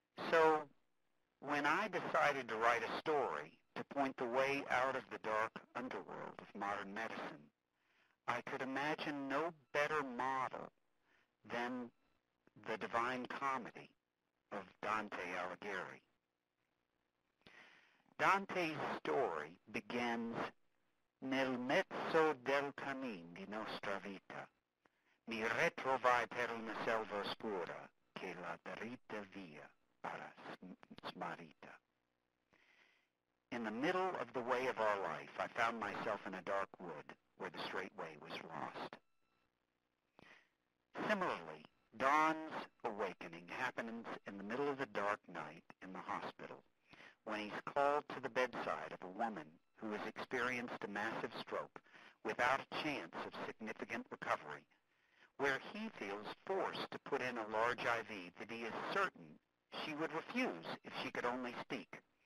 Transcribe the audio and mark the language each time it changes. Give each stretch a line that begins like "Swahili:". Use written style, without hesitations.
English: So, when I decided to write a story to point the way out of the dark underworld of modern medicine, I could imagine no better model than the Divine Comedy of Dante Alighieri. Dante's story begins
Italian: nel mezzo del cammin di nostra vita. Mi retrovai per una selva oscura che la dritta via era smarrita.
English: In the middle of the way of our life, I found myself in a dark wood where the straight way was lost. Similarly, Don's awakening happens in the middle of the dark night in the hospital when he's called to the bedside of a woman who has experienced a massive stroke without a chance of significant recovery, where he feels forced to put in a large IV that he is certain she would refuse if she could only speak.